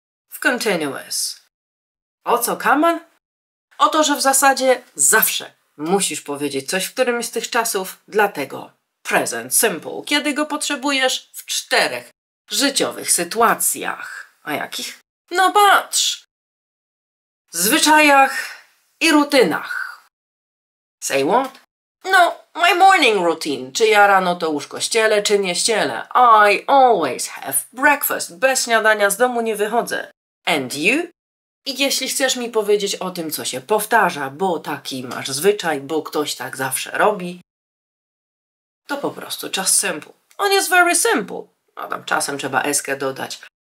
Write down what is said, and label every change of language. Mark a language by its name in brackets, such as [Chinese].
[Polish] W continuous. O co, [English] come on? [Polish] O to, że w zasadzie zawsze musisz powiedzieć coś w którymś z tych czasów, dlatego present simple, kiedy go potrzebujesz w czterech życiowych sytuacjach. A jakich? No patrz! W zwyczajach i rutynach. [English] Say what? [Polish] No, [English] my morning routine. [Polish] Czy ja rano to łóżko ściele, czy nie ściele? [English] I always have breakfast. [Polish] Bez śniadania z domu nie wychodzę. [English] And you? [Polish] I jeśli chcesz mi powiedzieć o tym, co się powtarza, bo taki masz zwyczaj, bo ktoś tak zawsze robi, to po prostu czas simple. On jest [English] very simple. [Polish] No tam czasem trzeba eskę dodać.